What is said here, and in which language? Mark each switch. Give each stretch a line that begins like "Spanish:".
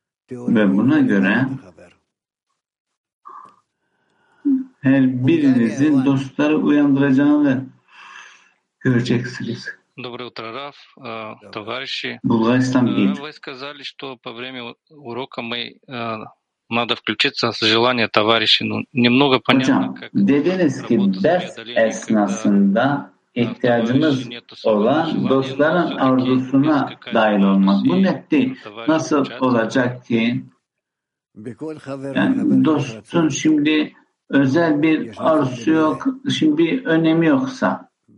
Turkish: Ve buna göre her birinizin dostları uyandıracağını göreceksiniz.
Russian: Доброе утро, Раф, товарищи. Вы сказали, что по время урока мы надо включиться с желания товарищей. Ну, немного понятно,
Turkish: как dediniz ki ders esnasında ihtiyacımız olan dostların arzusuna dahil olmak. Bu net değil. Nasıl olacak ki? Yani dostun şimdi özel bir arzusu yok, şimdi bir önemi yoksa.